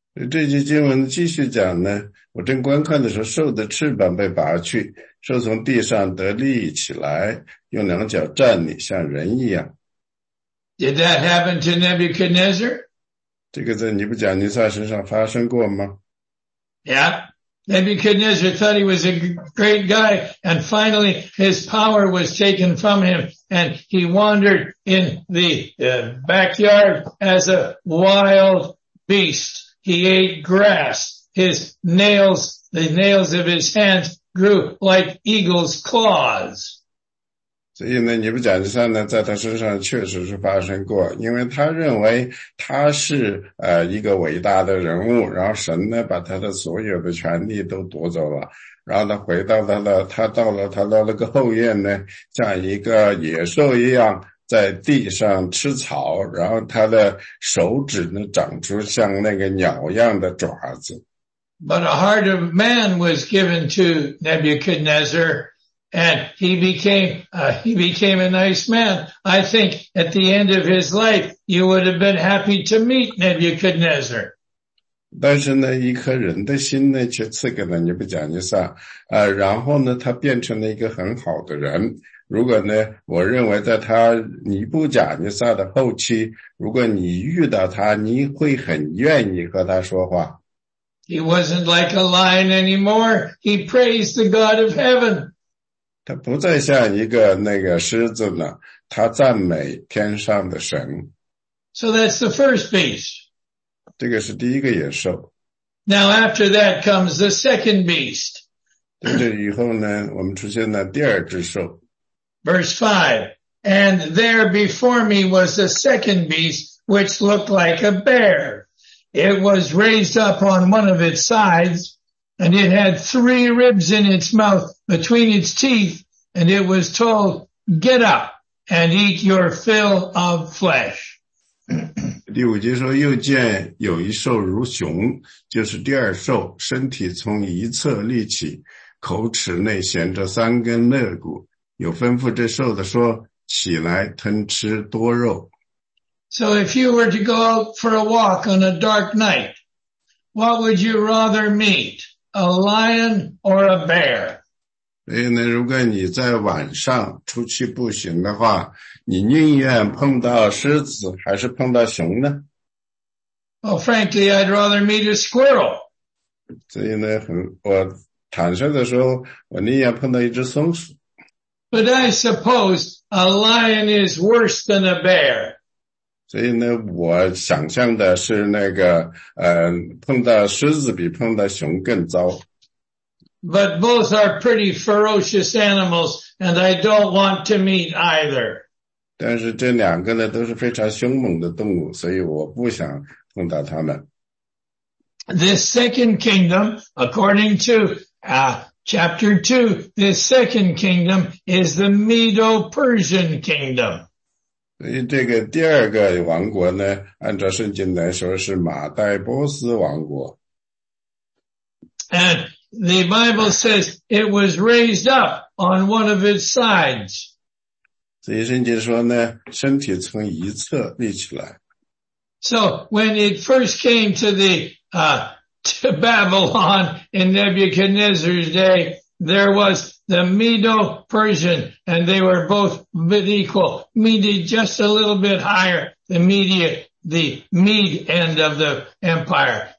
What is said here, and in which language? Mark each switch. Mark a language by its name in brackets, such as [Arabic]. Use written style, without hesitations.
[Chinese] 这句经文继续讲呢，我正观看的时候，兽的翅膀被拔去，兽从地上得立起来，用两脚站立，像人一样。 [English] Did that happen to Nebuchadnezzar? [Chinese] 这个在尼布甲尼撒身上发生过吗？ [English] Yeah. Nebuchadnezzar thought he was a great guy, and finally his power was taken from him, and he wandered in the backyard as a wild beast. He ate grass. The nails of his hands grew like eagle's claws. [Chinese] 所以呢，尼布甲尼撒呢，在他身上确实是发生过，因为他认为他是一个伟大的人物，然后神呢把他的所有的权利都夺走了，然后他回到他到了个后院呢，像一个野兽一样在地上吃草，然后他的手指呢长出像那个鸟一样的爪子。 [English] But a heart of man was given to Nebuchadnezzar. And he became a nice man. I think at the end of his life, you would have been happy to meet Nebuchadnezzar. [Chinese] 但是呢，一颗人的心呢，却赐给了尼布甲尼撒。然后呢，他变成了一个很好的人。如果呢，我认为在他尼布甲尼撒的后期，如果你遇到他，你会很愿意和他说话。 [English] He wasn't like a lion anymore. He praised the God of heaven. [Chinese] 他不再像一个那个狮子呢，他赞美天上的神。 [English] So that's the first beast. [Chinese] 这个是第一个野兽。 [English] Now after that comes the second beast. [Chinese] 在这以后呢，我们出现了第二只兽。 [English] Verse 5, And there before me was the second beast, which looked like a bear. It was raised up on one of its sides. And it had three ribs in its mouth between its teeth, and it was told, get up and eat your fill of flesh. [Chinese] 第五节说，又见有一兽如熊，就是第二兽，身体从一侧立起，口齿内衔着三根肋骨，有吩咐这兽的说，起来吞吃多肉。 [English] So if you were to go out for a walk on a dark night, what would you rather meet? A lion or a bear? [Chinese] 所以呢，如果你在晚上出去步行的话，你宁愿碰到狮子还是碰到熊呢？ [English] Well, frankly, I'd rather meet a squirrel. [Chinese] 所以呢，我坦率的说，我宁愿碰到一只松鼠。 [English] But I suppose a lion is worse than a bear. [Chinese] 所以呢，我想象的是那个，碰到狮子比碰到熊更糟。 [English] But both are pretty ferocious animals, and I don't want to meet either. [Chinese] 但是这两个呢，都是非常凶猛的动物，所以我不想碰到它们。 [English] This second kingdom, according to Chapter 2, the second kingdom is the Medo-Persian kingdom. [Chinese] 这个第二个王国呢, 按照圣经来说, 是马代波斯王国。 [English] And the Bible says it was raised up on one of its sides. [Chinese] 所以圣经说呢, 身体从一侧立起来。 [English] So when it first came to the, to Babylon in Nebuchadnezzar's day, there was the Medo-Persian, and they were both a bit equal. Medi just a little bit higher than Media, the Mede end of the empire.